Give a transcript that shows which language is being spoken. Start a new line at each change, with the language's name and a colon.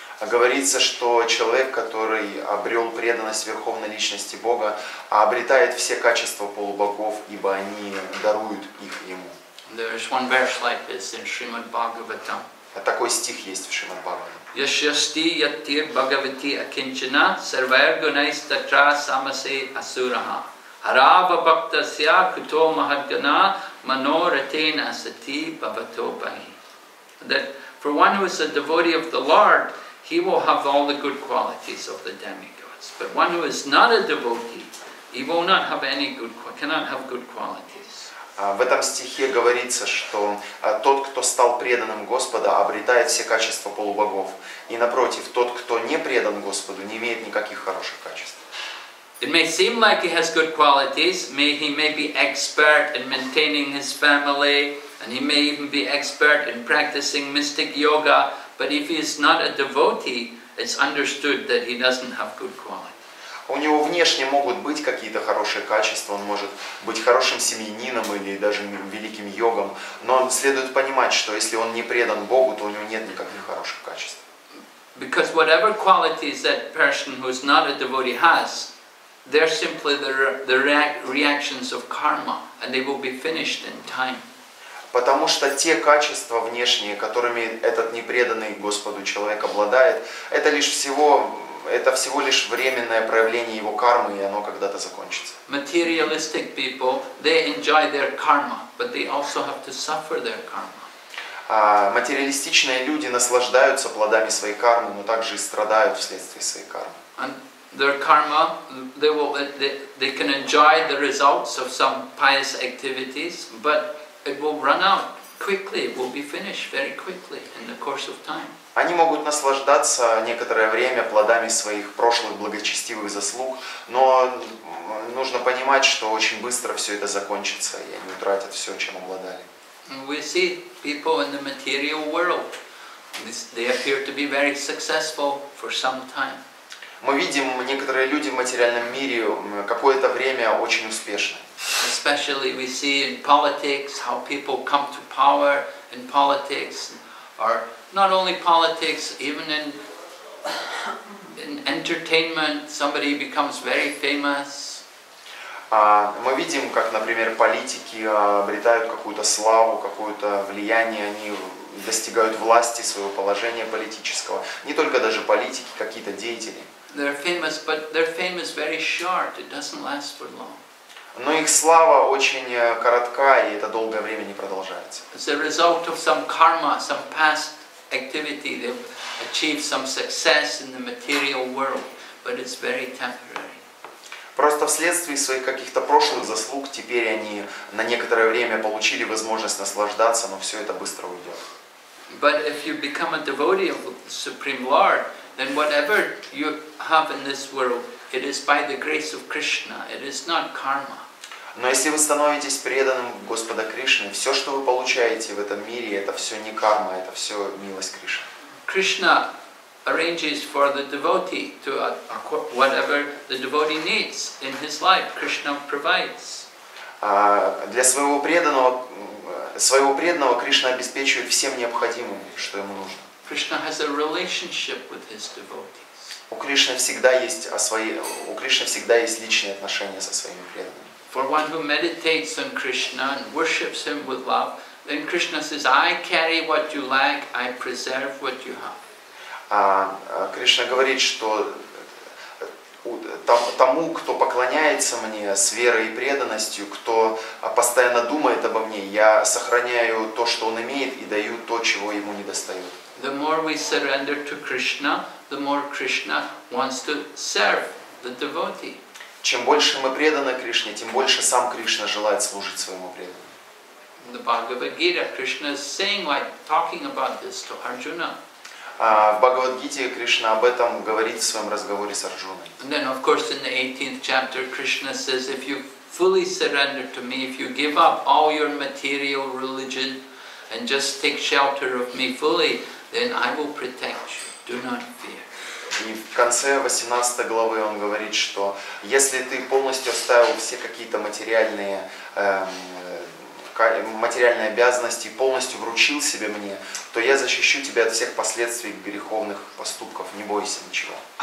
Russian: Говорится, что человек, который обрел преданность Верховной Личности Бога, обретает все качества полубогов, ибо они даруют их ему.
English: There's one verse like this in Srimad Bhagavatam.
Russian: А такой стих есть в Шримад Бхагаватам.
Sanskrit: Яшьясти яттир Бхагавати акинчина сарвайргунайстатра самасе асураха. Арава бхактасья куто махатгана манорятена сати бхавато бхи.
English: That for one who is a devotee of the Lord, he will have all the good qualities of the demigods. But one who is not a devotee, he will not have any good, cannot have good qualities.
Russian: В этом стихе говорится, что тот, кто стал преданным Господа, обретает все качества полубогов. И напротив, тот, кто не предан Господу, не имеет никаких хороших качеств.
English: It may seem like he has good qualities. He may be expert in maintaining his family, and he may even be expert in practicing mystic yoga. But if he is not a devotee, it's understood that he doesn't have good qualities.
Russian: У него внешне могут быть какие-то хорошие качества, он может быть хорошим семьянином или даже великим йогом, но следует понимать, что если он не предан Богу, то у него нет никаких хороших качеств.
English: Because whatever qualities that person who is not a devotee has, they're simply the reactions of karma, and they will be finished in time.
Russian: Потому что те качества внешние, которыми этот непреданный Господу человек обладает, это всего лишь временное проявление его кармы, и оно когда-то закончится.
English: Materialistic people, they enjoy their karma, but they also have to suffer their karma.
Russian: Материалистичные люди наслаждаются плодами своей кармы, но также и страдают вследствие своей кармы.
English: And their karma, they can enjoy the results of some pious activities, but it will run out quickly. It will be finished very quickly in the course of time.
Russian: Они могут наслаждаться некоторое время плодами своих прошлых благочестивых заслуг, но нужно понимать, что очень быстро все это закончится, и они утратят все, чем обладали.
English: We see people in the material world. They appear to be very successful for some time.
Russian: Мы видим некоторые люди в материальном мире какое-то время очень успешны.
English: Especially we see in politics how people come to power in politics, or not only politics, even in entertainment, somebody becomes very famous.
Russian: Мы видим, как, например, политики обретают какую-то славу, какое-то влияние, они достигают власти, своего положения политического. Не только даже политики, какие-то деятели.
English: They're famous, but their fame is very short. It doesn't last for long.
Russian: Но их слава очень коротка, и это долгое время не продолжается.
English: As a result of some karma, some past activity, they've achieved some success in the material world, but it's very temporary.
Russian: Просто вследствие своих каких-то прошлых заслуг теперь они на некоторое время получили возможность наслаждаться, но все это быстро уйдет.
English: But if you become a devotee of the Supreme Lord, then whatever you have in this world, it is by the grace of Krishna. It is not karma.
Russian: Но если вы становитесь преданным Господа Кришны, все, что вы получаете в этом мире, это все не карма, это все милость Кришны.
English: Krishna arranges for the devotee to whatever the devotee needs in his life. Krishna provides.
Russian: Для своего преданного Кришна обеспечивает всем необходимым, что ему нужно.
English: Krishna has a relationship with his devotees.
Russian: У Кришны всегда есть личные отношения со своими преданными.
English: For one who meditates on Krishna and worships him with love, then Krishna says, I carry what you lack, I preserve what you have.
Russian: Кришна говорит, что тому, кто поклоняется мне с верой и преданностью, кто постоянно думает обо мне, я сохраняю то, что он имеет, и даю то, чего ему не достает.
English: The more we surrender to Krishna, the more Krishna wants to serve the devotee.
Russian: Чем больше мы преданы Кришне, тем больше сам Кришна желает служить своему преданному.
English: In the Bhagavad Gita, Krishna is saying, like talking about this to Arjuna.
Russian: В Бхагавад-гите Кришна об этом говорит в своем разговоре с Арджуной.
English: And then, of course, in the 18th chapter, Krishna says, if you fully surrender to me, if you give up all your material religion and just take shelter of me fully, then I will protect you. Do not fear.
Russian: И в конце 18 главы он говорит, что если ты полностью оставил все какие-то материальные обязанности, полностью вручил себе мне, то я защищу тебя от всех последствий греховных поступков. Не бойся ничего.